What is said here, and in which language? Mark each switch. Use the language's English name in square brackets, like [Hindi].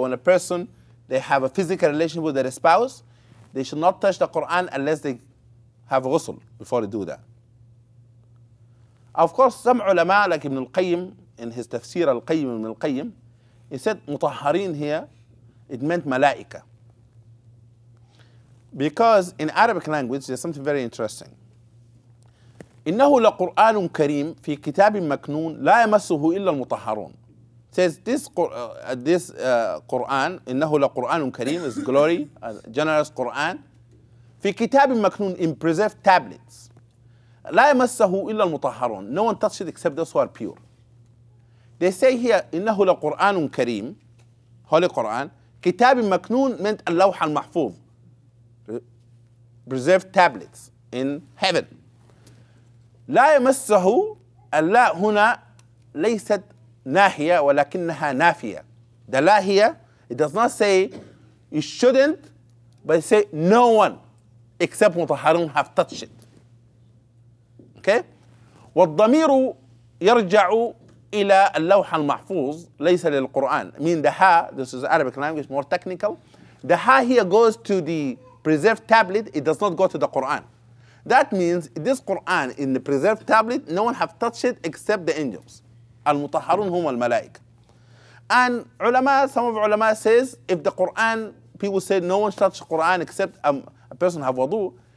[English] When a person, they have a physical relation with their spouse, they should not touch the Quran unless they have ghusl before they do that. Of course, some ulama, like Ibn al-Qayyim, in his tafsir al-Qayyim Ibn al-Qayyim, he said, mutahharin here, it meant malaika. Because in Arabic language, there's something very interesting. [Arabic] إنه لقرآن كريم في كتاب مكنون لا يمسه إلا المطهرون. [English] Says this Quran, [Arabic] إنه لقرآن كريم [English] is glory, a generous Quran. [Arabic] في كتاب مكنون [English] in preserved tablets. [Arabic] لا يمسه إلا المطهرون. [English] No one touches it except those who are pure. They say here [Arabic] إنه لقرآن كريم, [English] holy Quran. [Arabic] كتاب مكنون [English] meant [Arabic] اللوح المحفوظ, [English] preserved tablets in heaven. [Arabic] لا يمسه اللاء هنا ليست ناهية ولكنها نافية. [English] The [Arabic] لا هي, [English] it does not say you shouldn't, but it say no one except مطهرون have touched it. Okay? [Arabic] والضمير يرجع إلى اللوح المحفوظ ليس للقرآن. [English] I mean the ha, this is Arabic language, more technical. The ha here goes to the preserved tablet, it does not go to the Quran. That means this Quran in the preserved tablet, no one have touched it except the angels. [Arabic] Al-mutahharun hum al-malaik. [English] And ulama, some of ulama says, if the Quran, people say no one touch Quran except a person have wudu.